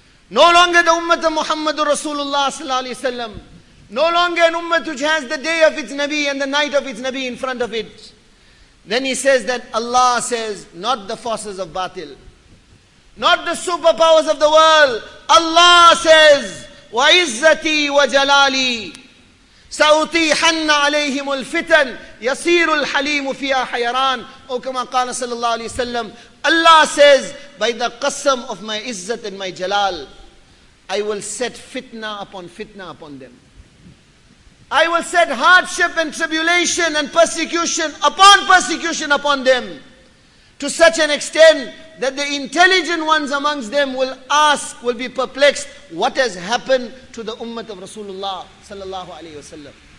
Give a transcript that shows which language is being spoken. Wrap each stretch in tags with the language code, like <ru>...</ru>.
<en>No longer the ummah of Muhammadur Rasulullah sallallahu alayhi wa sallam. No longer an ummah which has the day of its Nabi and the night of its Nabi in front of it. Then he says that Allah says, not the forces of batil, not the superpowers of the world. Allah says,</en> <ar>وعزتي وجلالي سأطيحن عليهم الفتن يصير الحليم فيها حيران. أو كما قال صلى الله عليه وسلم,</ar> <en>Allah says, by the qasam of my izzat and my jalal, I will set fitna upon fitna upon them. I will set hardship and tribulation and persecution upon them to such an extent that the intelligent ones amongst them will ask, will be perplexed, what has happened to the ummah of Rasulullah sallallahu alayhi wa sallam.</en>